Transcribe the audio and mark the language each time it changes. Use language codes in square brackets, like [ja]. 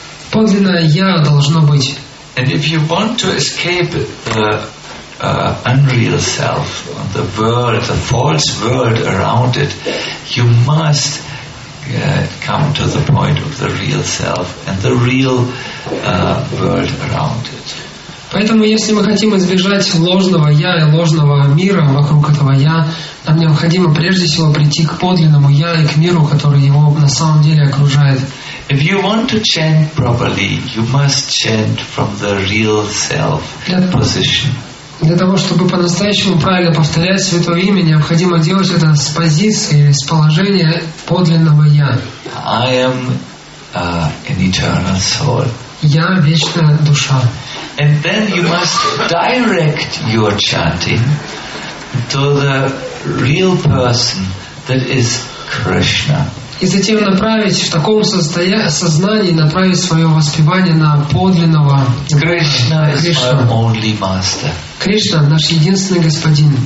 [ru] Подлинное я должно быть. [en] And if you want to escape the unreal self, the world, the false world around it, you must come to the point of the real self and the real world around it. [ru] Поэтому, если мы хотим избежать ложного «я» и ложного мира вокруг этого «я», нам необходимо прежде всего прийти к подлинному «я» и к миру, который его на самом деле окружает. [en] If you want to chant properly, you must chant from the real self position. [ru] Для того, чтобы по-настоящему правильно повторять Святое Имя, необходимо делать это с позиции, с положения подлинного «я». [en] I am an eternal soul. [ru] Я вечная душа. [en] And then you must direct your chanting to the real person that is Krishna. [ru] И затем направить в таком сознании направить свое воспевание на подлинного Krishna. [en] Krishna is my only master. [ru] Кришна наш единственный господин.